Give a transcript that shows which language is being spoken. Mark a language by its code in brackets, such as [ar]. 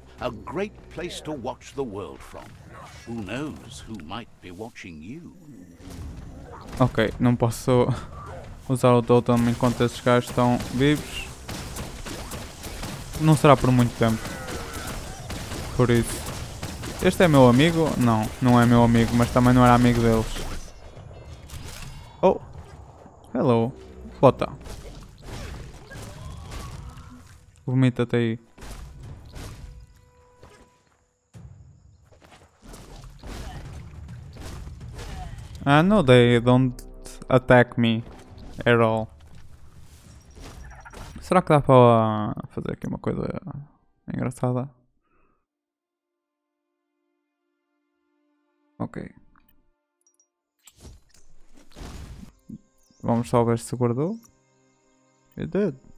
[en] A great place to watch the world from. Who knows who might be watching you? [pt] Ok, não posso usar o totem enquanto esses gajos estão vivos. Não será por muito tempo. Por isso. Este é meu amigo? Não, não é meu amigo, mas também não era amigo deles. [en] Oh! Hello! Bota! [pt] Vomita-te aí. [en] I know they don't attack me at all. [pt] Será que dá para fazer aqui uma coisa engraçada? Ok. Vamos só ver se guardou. [en] It did.